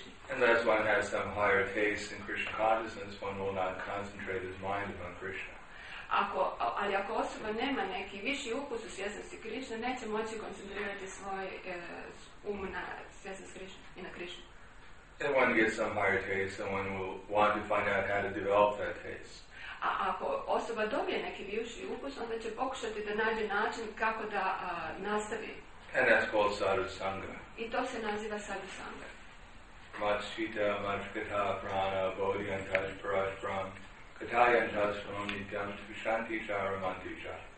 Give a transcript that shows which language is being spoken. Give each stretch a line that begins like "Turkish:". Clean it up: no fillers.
English: And as one has some higher taste in Krishna consciousness, one will not concentrate his mind upon Krishna.
Croatian: Ali ako osoba nema neki viši ukus u svjesnosti Krishna, neće moći koncentrirati svoj um na svjesnost Krishna i na Krishna.
English: And one gets some higher taste, and one will want to find out how to develop that taste.
Croatian: A ako osoba dobije neki viši ukus, onda će pokušati da nađe način kako da nastavi.
English: And that's called sadhusanga.
Croatian: I to se naziva sadhusanga.
Sanskrit: Machita, machkata, prana, bodhi, antaj, paraj, pram, kataya, antaj, pram, nityam, shanti, cha, ramanti, cha.